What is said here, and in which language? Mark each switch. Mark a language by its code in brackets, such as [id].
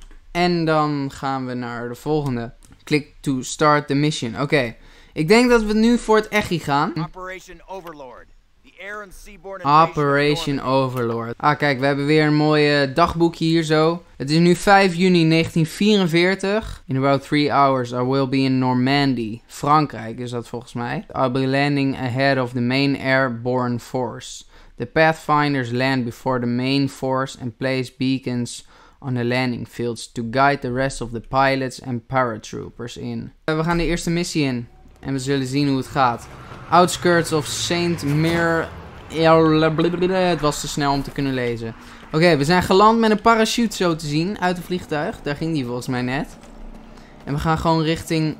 [nl] En dan gaan we naar de volgende. [en] Click to start the mission. [nl] Oké. Okay. Ik denk dat we nu voor het echi gaan. [en] Operation Overlord. Operation Overlord. [nl] Ah, kijk, we hebben weer een mooie dagboekje hier zo. Het is nu 5 juni 1944. [en] In about 3 hours, I will be in Normandy. [nl] Frankrijk is dat volgens mij. [en] I'll be landing ahead of the main airborne force. The Pathfinders land before the main force and place beacons on the landing fields to guide the rest of the pilots and paratroopers in. [nl] We gaan de eerste missie in. En we zullen zien hoe het gaat. [en] Outskirts of Saint Mir. [nl] Het was te snel om te kunnen lezen. Oké, okay, we zijn geland met een parachute zo te zien. Uit het vliegtuig. Daar ging die volgens mij net. En we gaan gewoon richting.